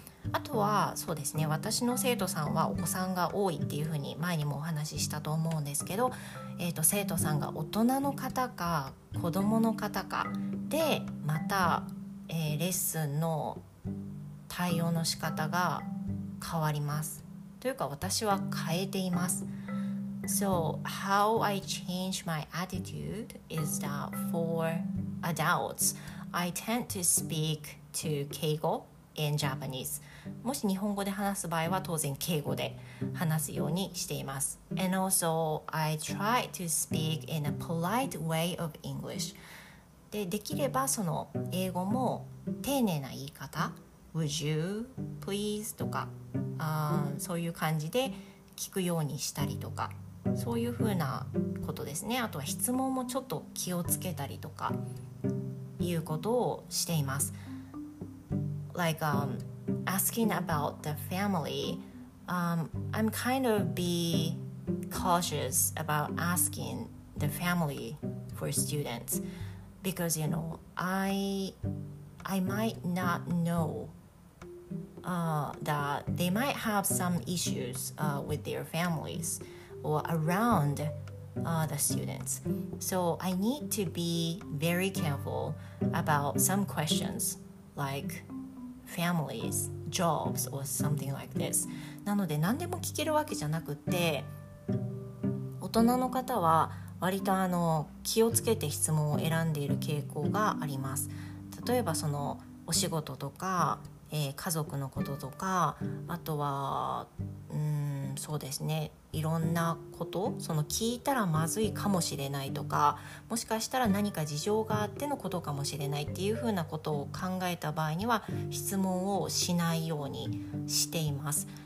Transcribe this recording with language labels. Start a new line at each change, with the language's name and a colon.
Japanese: あとはそうですね、私の生徒さんはお子さんが多いっていうふうに前にもお話ししたと思うんですけど、生徒さんが大人の方か子どもの方かでまた、レッスンの対応の仕方が変わります。というか私は変えています。
English: So how I change my attitude is that for adults I tend to speak to 敬語 in Japanese。
Japanese: もし日本語で話す場合は当然敬語で話すようにしています。
English: And also I try to speak in a polite way of English。
Japanese: で、 できればその英語も丁寧な言い方、
English: Would you please?
Japanese: とか、そういう感じで聞くようにしたりとか、そういうふうなことですね。あとは質問もちょっと気をつけたりとかいうことをしています。
English: Like, asking about the family, I'm kind of be cautious about asking the family for students because, you know, I might not knowthat they might have some issues with their families or around the students. So I need to be very careful about some questions like families, jobs or something like this.
Japanese: なので何でも聞けるわけじゃなくて、大人の方は割と気をつけて質問を選んでいる傾向があります。例えばそのお仕事とか家族のこととか、あとはそうですね、いろんなこと、その聞いたらまずいかもしれないとか、もしかしたら何か事情があってのことかもしれないっていうふうなことを考えた場合には質問をしないようにしています。